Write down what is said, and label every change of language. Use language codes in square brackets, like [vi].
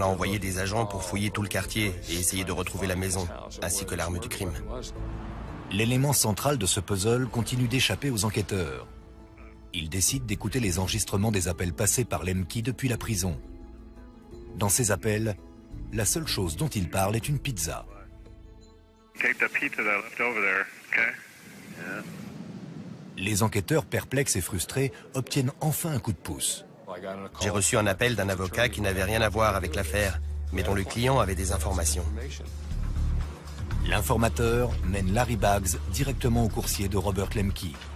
[fr] a envoyé des agents pour fouiller tout le quartier et essayer de retrouver la maison, ainsi que l'arme du crime. L'élément central de ce puzzle continue d'échapper aux enquêteurs. Ils décident d'écouter les enregistrements des appels passés par Lemke depuis la prison. Dans ces appels, la seule chose dont il parle est une pizza. [en] Take the pizza that I left over there, okay? Yeah. [fr] Les enquêteurs, perplexes et frustrés, obtiennent enfin un coup de pouce. J'ai reçu un appel d'un avocat qui n'avait rien à voir avec l'affaire, mais dont le client avait des informations. L'informateur mène Larry Baggs directement au coursier de Robert Lemke.